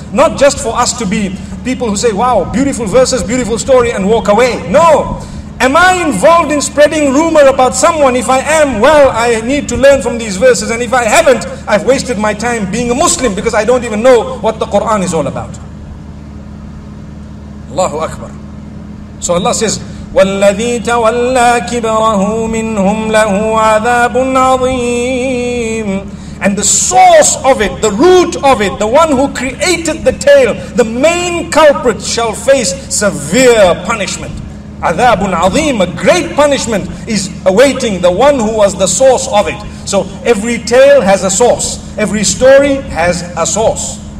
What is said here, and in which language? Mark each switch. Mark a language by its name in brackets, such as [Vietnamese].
[English] Not just for us to be people who say, wow, beautiful verses, beautiful story, and walk away. No. Am I involved in spreading rumor about someone? If I am, well, I need to learn from these verses. And if I haven't, I've wasted my time being a Muslim because I don't even know what the Quran is all about. [Arabic] Allahu Akbar. [English] So Allah says, [Arabic] وَالَّذِي تَوَلَّى كِبْرَهُ مِنْهُمْ لَهُ عَذَابٌ عَظِيمٌ. [English] And the source of it, the root of it, the one who created the tale, the main culprit shall face severe punishment. [Arabic] Adhabun azim, [English] a great punishment is awaiting the one who was the source of it. So every tale has a source. Every story has a source.